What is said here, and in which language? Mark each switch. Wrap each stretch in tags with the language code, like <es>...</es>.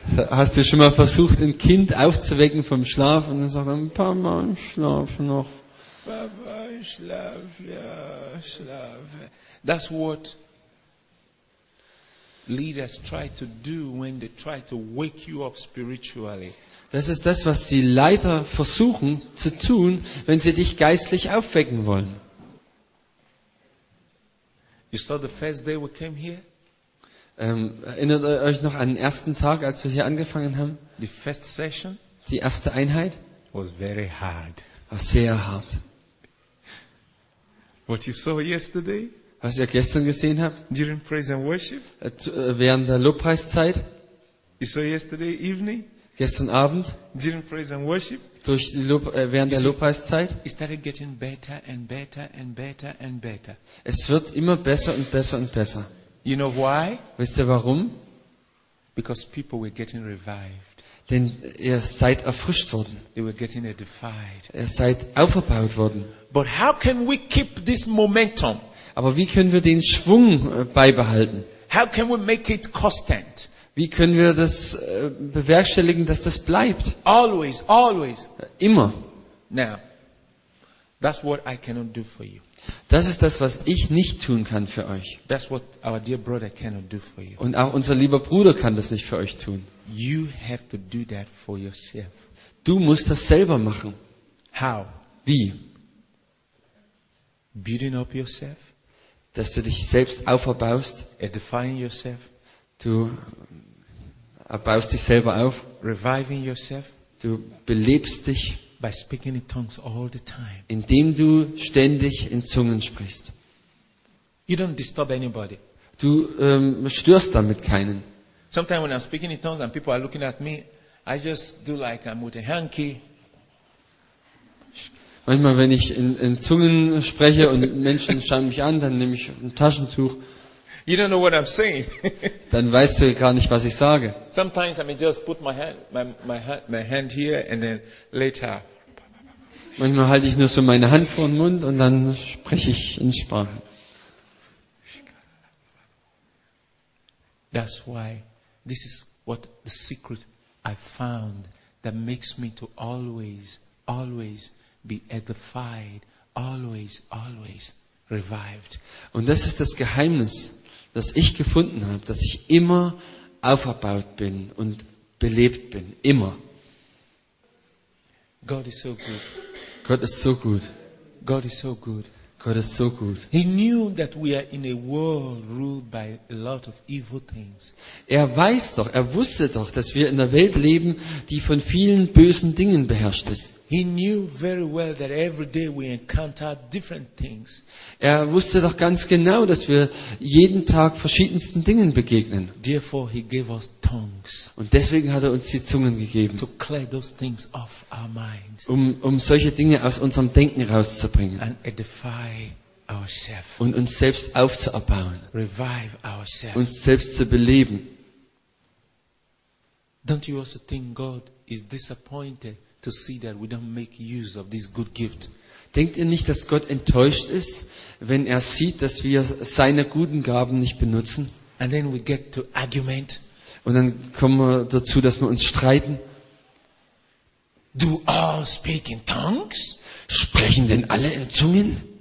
<de>Hast du schon mal versucht, ein Kind aufzuwecken vom Schlaf und dann sagt er, Papa, ich schlafe noch. Papa, ich schlafe, ja, schlafe.</de> <en>That's what leaders try to do when they try to wake you up spiritually.</en> <de>Das ist das, was die Leiter versuchen zu tun, wenn sie dich geistlich aufwecken wollen.</de> <en>You saw the first day we came here?</en> <de>Erinnert ihr euch noch an den ersten Tag, als wir hier angefangen haben?</de> <en>The first session,</en> <de>die erste Einheit,</de> <en>was very hard.</en> <de>War sehr hart.</de> <en>What you saw yesterday,</en> <de>was ihr gestern gesehen habt,</de> <en>during praise and worship,</en> <de>während der Lobpreiszeit,</de> <en>you saw yesterday evening,</en> <de>gestern Abend,</de> <en>during praise and worship,</en> <de>durch die während der Lobpreiszeit,</de> <en>it started getting better and better and better and better.</en> <de>Es wird immer besser und besser und besser.</de> <en>You know why?</en> <de>Wisst ihr warum?</de> <en>Because people were getting revived.</en> <de>Denn ihr seid erfrischt worden.</de> <en>They were getting edified.</en> <de>Ihr seid auferbaut worden.</de> <en>But how can we keep this momentum?</en> <de>Aber wie können wir den Schwung beibehalten?</de> <en>How can we make it constant?</en> <de>Wie können wir das bewerkstelligen, dass das bleibt?</de> <en>Always, always.</en> <de>Immer.</de> <en>Now, that's what I cannot do for you.</en> <de>Das ist das, was ich nicht tun kann für euch.</de> <en>That's what our dear brother cannot do for you.</en> <de>Und auch unser lieber Bruder kann das nicht für euch tun.</de> <en>You have to do that for yourself.</en> <de>Du musst das selber machen.</de> <en>How?</en> <de>Wie?</de> <en>Building up yourself.</en> <de>Dass du dich selbst aufbaust.</de> <en>Edifying yourself.</en> <de>Du baust dich selber auf.</de> <en>Reviving yourself.</en> <de>Du belebst dich.</de> <en>By speaking in tongues all the time.</en> <de>Indem du ständig in Zungen sprichst.</de> <en>You don't disturb anybody.</en> <de>Du störst damit keinen.</de> <en>Sometimes when I'm speaking in tongues and people are looking at me, I just do like I'm with a hanky.</en> <de>Manchmal, wenn ich in Zungen spreche und Menschen schauen mich an, dann nehme ich ein Taschentuch.</de> <en>You don't know what I'm saying.</en> <de>Dann weißt du gar nicht, was ich sage.</de> <en>Sometimes I may just put my hand here and then later.</en> <de>Manchmal halte ich nur so meine Hand vor den Mund und dann spreche ich in Sprachen.</de> <en>That's why this is what the secret I found that makes me to always be edified, always revived.</en> <de>Und das ist das Geheimnis, das ich gefunden habe, dass ich immer auferbaut bin und belebt bin, immer.</de> <en>God is so good.</en> <de>Gott ist so gut.</de> <en>God is so good.</en> <de>Gott ist so gut.</de> <en>He knew that we are in a world ruled by a lot of evil things.</en> <de>Er wusste doch, dass wir in einer Welt leben, die von vielen bösen Dingen beherrscht ist.</de> <en>He knew very well that every day we encounter different things.</en> <de>Er wusste doch ganz genau, dass wir jeden Tag verschiedensten Dingen begegnen.</de> <en>Therefore he gave us tongues.</en> <de>Und deswegen hat er uns die Zungen gegeben,</de> <en>to clear those things off our minds.</en> <de>Um solche Dinge aus unserem Denken rauszubringen.</de> <en>And edify ourselves.</en> <de>Und uns selbst aufzubauen.</de> <en>Revive ourselves.</en> <de>Uns selbst zu beleben.</de> <en>Don't you also think God is disappointed to see that we don't make use of this good gift?</en> <de>Denkt ihr nicht, dass Gott enttäuscht ist, wenn er sieht, dass wir seine guten Gaben nicht benutzen?</de> <en>And then we get to argument.</en> <de>Und dann kommen wir dazu, dass wir uns streiten.</de> <en>Do all speak in tongues?</en> <de>Sprechen denn alle in Zungen?</de>